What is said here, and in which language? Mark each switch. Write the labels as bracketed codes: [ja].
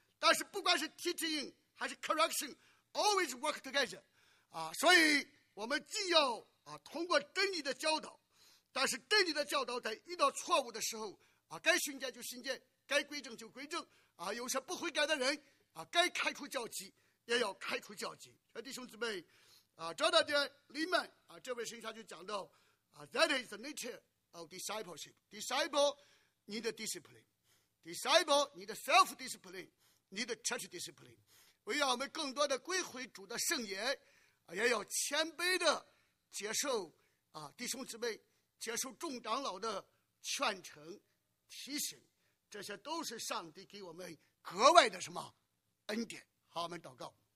[zh] 但是不管是 teaching 还是 [en] correction always work together [zh] 啊，所以我们既要啊通过真理的教导，但是真理的教导在遇到错误的时候啊，该训诫就训诫，该归正就归正啊，有些不悔改的人啊，该开除教籍也要开除教籍。弟兄姊妹啊，这大家里面啊，这位神学家就讲到啊， [en] That is the nature of discipleship. Disciple need discipline. Disciple need self-discipline. Need church discipline. [zh] 为了我们更多的归回主的圣言、啊、也要谦卑的接受啊，弟兄姊妹接受众长老的劝惩提醒，这些都是上帝给我们格外的什么恩典。好，我们祷告。